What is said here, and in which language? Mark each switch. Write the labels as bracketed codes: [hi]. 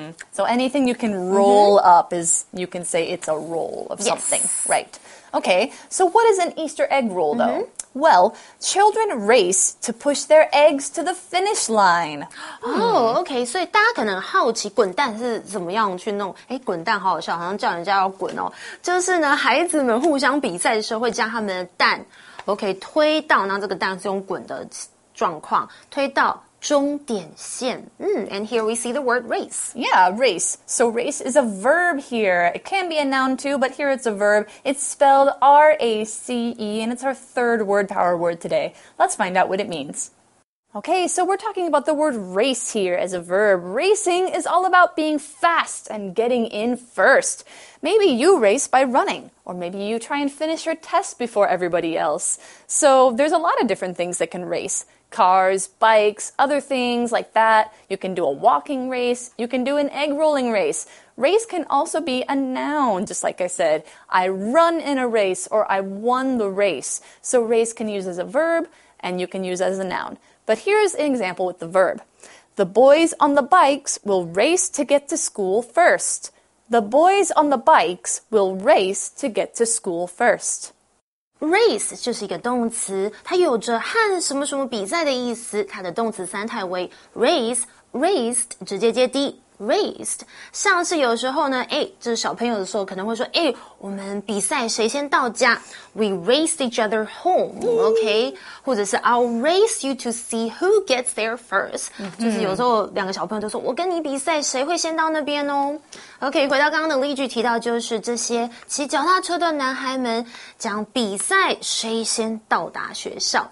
[en] So anything you can roll up is you can say. It's a roll of something. Yes. Right. Okay, so what is an Easter egg roll, though? Well, children race to push their eggs to the finish line. [zh] Okay, 所以大家可能好奇滚蛋是怎么样去弄。滚蛋好好笑，好像叫人家要滚哦。就是呢，孩子们互相比赛的时候会将他们的蛋 okay, 推到，那这个蛋是用滚的状况，推到终点线。 [en] And here we see the word race. Yeah, race. So race is a verb here. It can be a noun too, but here it's a verb. It's spelled R-A-C-E, and it's our third word power word today. Let's find out what it means. Okay, so we're talking about the word race here as a verb. Racing is all about being fast and getting in first. Maybe you race by running, or maybe you try and finish your test before everybody else. So there's a lot of different things that can race. Cars, bikes, other things like that. You can do a walking race. You can do an egg rolling race. Race can also be a noun, just like I said. I run in a race, or I won the race. So race can use as a verb, and you can use as a noun. But here's an example with the verb. The boys on the bikes will race to get to school first. The boys on the bikes will race to get to school first. [zh] Race 就是一个动词，它有着和什么什么比赛的意思。它的动词三态为 race, raced, 直接接 d, raced。像是有时候呢，哎，就是小朋友的时候可能会说，哎，我们比赛谁先到家 ？ [en] We raced each other home, [zh] OK？或者是 [en] I'll race you to see who gets there first。 [zh] 就是有时候两个小朋友都说，我跟你比赛谁会先到那边哦。 OK， 回到刚刚的例句，提到就是这些骑脚踏车的男孩们将比赛谁先到达学校。